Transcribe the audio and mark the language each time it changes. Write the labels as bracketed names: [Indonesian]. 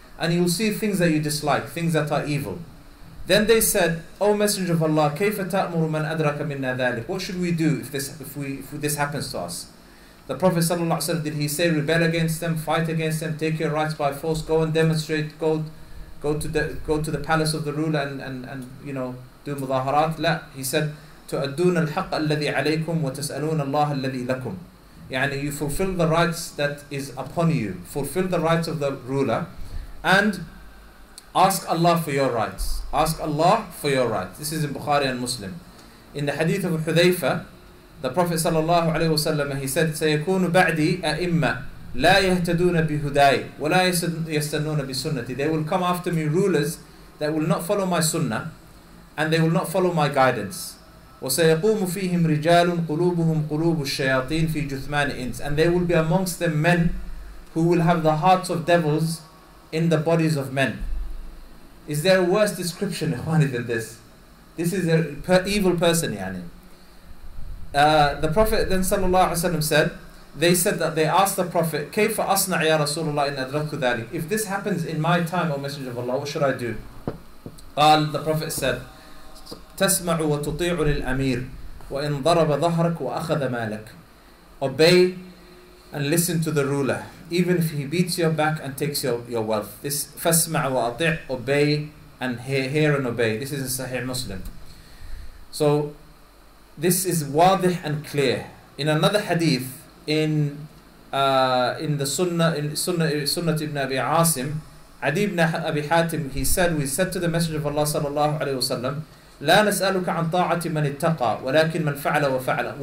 [English] And you'll see things that you dislike, things that are evil. Then they said, O Messenger of Allah, [Arabic] كيف تأمر من أدرك منا ذلك? [English] What should we do if this happens to us? The Prophet sallallahu alaihi wasallam, did he say, rebel against them, fight against them, take your rights by force, go and demonstrate, go to the palace of the ruler and you know, do mudaharat? [Arabic] لا, [English] he said, [Arabic] تُؤَدُّونَ الْحَقَّ الَّذِي عَلَيْكُمْ وَتَسْأَلُونَ اللَّهَ الَّذِي لَكُمْ. [English] يعني you fulfill the rights that is upon you. Fulfill the rights of the ruler and ask Allah for your rights. Ask Allah for your rights. This is in Bukhari and Muslim. In the hadith of Hudhayfa, the Prophet sallallahu alayhi wa sallam, he said, [Arabic] سَيَكُونُ بَعْدِي أَئِمَّا لَا يَهْتَدُونَ بِهُدَايِ وَلَا يَسْتَنُونَ بِسُنَّتِي. [English] They will come after me rulers that will not follow my sunnah and they will not follow my guidance. [Arabic] وسيقوم فيهم رجال قلوبهم قلوب الشياطين في جثمان إنس. [English] And they will be amongst them men who will have the hearts of devils in the bodies of men. Is there a worse description than this? This is an evil person. The Prophet then sallallahu alaihi wasallam said, they said that they asked the Prophet, [Arabic] كيف أصنع يا رسول الله إن أدرك ذلك? [English] If this happens in my time, O Messenger of Allah, what should I do? [Arabic] قال, [English] the Prophet said, [Arabic] تسمع وتطيع للأمير وإن ضرب ظهرك وأخذ مالك. [English] Obey and listen to the ruler, even if he beats your back and takes your wealth. This [Arabic] فاسمع وأطيع, [English] obey and hear and obey. This is in Sahih Muslim. So this is wadih and clear. In another hadith, in the Sunnah ibn Abi Asim, Adi ibn Abi Hatim, he said, we said to the Messenger of Allah sallallahu alayhi wa sallam, [Arabic] لا نسألك عن طاعة من اتقى ولكن من فعل وفعل.